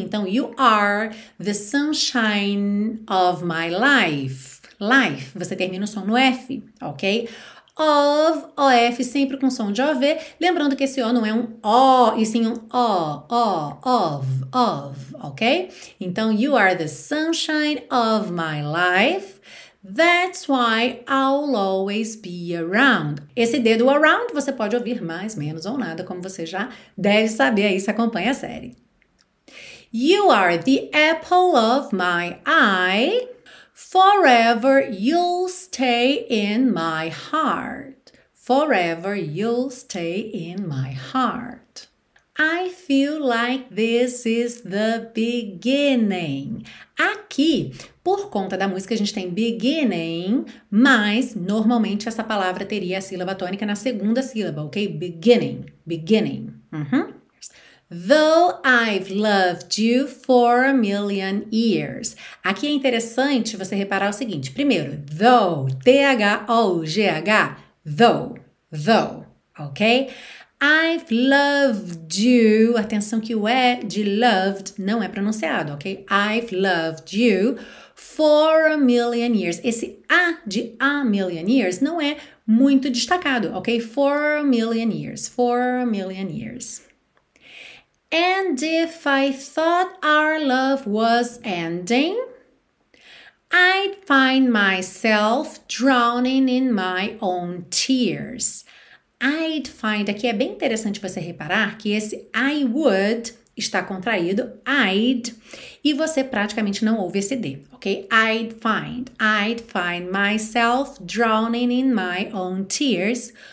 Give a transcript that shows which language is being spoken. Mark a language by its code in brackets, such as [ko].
[en] Então, You Are the Sunshine of My Life. [pt] Life, você termina o som no F, ok? Of, OF, sempre com som de OV, lembrando que esse O não é um O, e sim um O, O, of, of, ok? [en] Então, you are the sunshine of my life, that's why I'll always be around. [pt] Esse dedo around você pode ouvir mais, menos ou nada, como você já deve saber aí se acompanha a série. [en] You are the apple of my eye. Forever you'll stay in my heart. Forever you'll stay in my heart. I feel like this is the beginning. [pt] Aqui, por conta da música, a gente tem beginning, mas normalmente essa palavra teria a sílaba tônica na segunda sílaba, ok? [en] Beginning, beginning. Uhum. Though I've loved you for a million years. [pt] Aqui é interessante você reparar o seguinte. Primeiro, though, T-H-O-U-G-H, though, ok? [en] I've loved you, [pt] atenção que o E de loved não é pronunciado, ok? [en] I've loved you for a million years. [pt] Esse A de a million years não é muito destacado, ok? [en] For a million years, for a million years. And if I thought our love was ending, I'd find myself drowning in my own tears. I'd find, [pt] aqui é bem interessante você reparar que esse I would está contraído, I'd, e você praticamente não ouve esse D, ok? [en] I'd find myself drowning in my own tears.